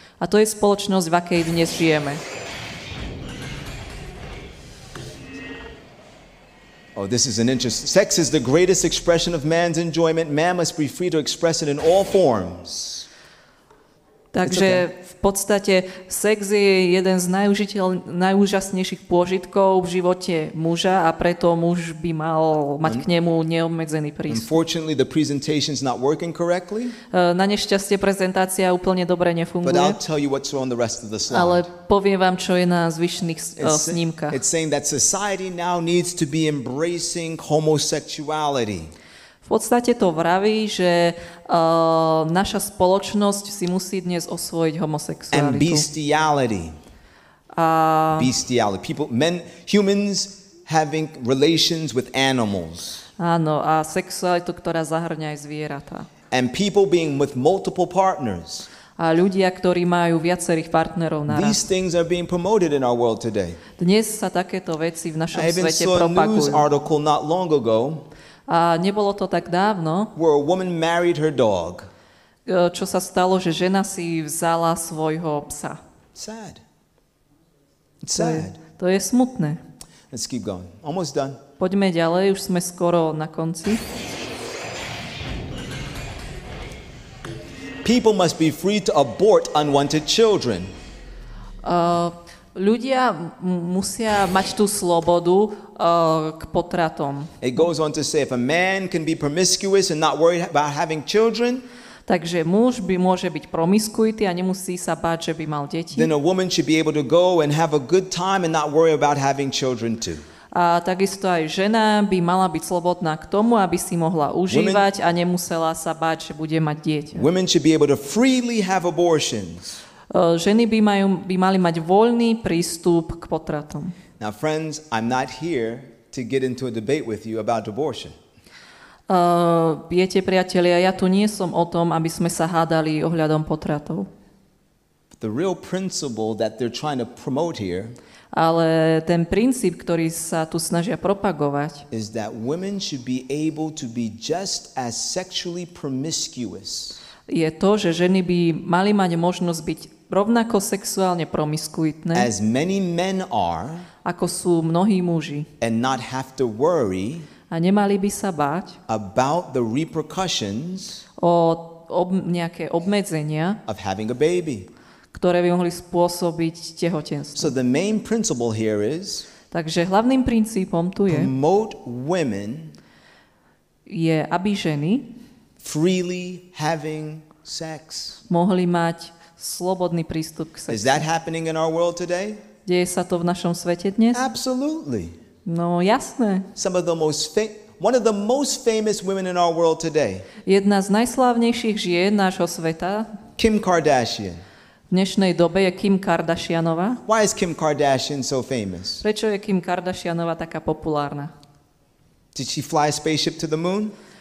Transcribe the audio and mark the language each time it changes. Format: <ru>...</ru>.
<sk>A to je spoločnosť, v akej dnes žijeme.</sk> <en>Oh, this is an interest. Sex is the greatest expression of man's enjoyment. Man must be free to express it in all forms.</en> <sk>Takže v podstate sex je jeden z najúžasnejších pôžitkov v živote muža a preto muž by mal mať k nemu neobmedzený prístup.</sk> <en>Unfortunately, the presentation's not working correctly.</en> <sk>Na nešťastie prezentácia úplne dobre nefunguje.</sk> <en>But I'll tell you what's on the rest of the slide.</en> <sk>Ale poviem vám, čo je na zvyšných snímkach.</sk> <en>It's saying that society now needs to be embracing homosexuality.</en> <sk>V podstate to vraví, že naša spoločnosť si musí dnes osvojiť homosexualitu.</sk> <en>And bestiality. Bestiality. People, men, humans having relations with animals.</en> <sk>Áno, a sexualitu, ktorá zahŕňa aj zvieratá.</sk> <en>And people being with multiple partners.</en> <sk>A ľudia, ktorí majú viacerých partnerov naraz.</sk> <en>These things are being promoted in our world today.</en> <sk>Dnes sa takéto veci v našom svete propagujú.</sk> <en>I even saw a news article not long ago.</en> <sk>A nebolo to tak dávno,</sk> <en>where a woman married her dog.</en> <sk>Čo sa stalo, že žena si vzala svojho psa.</sk> <en>Sad. It's sad.</en> <sk>To je smutné.</sk> <en>Let's keep going. Almost done.</en> <sk>Poďme ďalej, už sme skoro na konci.</sk> <en>People must be free to abort unwanted children.</en> <sk>Ľudia musia mať tú slobodu k potratom.</sk> <en>It goes on to say if a man can be promiscuous and not worried about having children,</en> <sk>takže muž by môže byť promiskuitý a nemusí sa báť, že by mal deti.</sk> <en>Then a woman should be able to go and have a good time and not worry about having children too.</en> <sk>A takisto aj žena by mala byť slobodná k tomu, aby si mohla užívať a nemusela sa báť, že bude mať dieťa.</sk> <en>Women should be able to freely have abortions.</en> <sk>Ženy by mali mať voľný prístup k potratom.</sk> <en>Now friends, I'm not here to get into a debate with you about abortion.</en> <sk>Viete, priatelia, ja tu nie som o tom, aby sme sa hádali ohľadom potratov.</sk> <en>The real principle that they're trying to promote here,</en> <sk>ale ten princíp, ktorý sa tu snažia propagovať,</sk> <en>is that women should be able to be just as sexually promiscuous.</en> <sk>Je to, že ženy by mali mať možnosť byť rovnako sexuálne promiskuitné,</sk> <en>as many men are,</en> <sk>ako sú mnohí muži,</sk> <en>and not have to worry,</en> <sk>a nemali by sa báť</sk> <en>about the repercussions,</en> <sk>nejaké obmedzenia</sk> <en>of having a baby,</en> <sk>ktoré by mohli spôsobiť tehotenstvo.</sk> <en>So the main principle here is,</en> <sk>takže hlavným princípom tu je,</sk> <en>promote women,</en> <sk>je, aby ženy</sk> <en>freely having sex.</en> <sk>Mohli mať slobodný prístup k sexu.</sk> <en>Is that happening in our world today?</en> <sk>Deje sa to v našom svete dnes?</sk> <en>Absolutely.</en> <sk>No, jasné.</sk> <en>Some of the most one of the most famous women in our world today.</en> <sk>Jedna z najslávnejších žien nášho sveta.</sk> <en>Kim Kardashian.</en> <sk>V dnešnej dobe je Kim Kardashianová.</sk> <en>Why is Kim Kardashian so famous?</en> <sk>Prečo je Kim Kardashianová taká populárna?</sk> <en>Did she fly a spaceship to the moon?</en>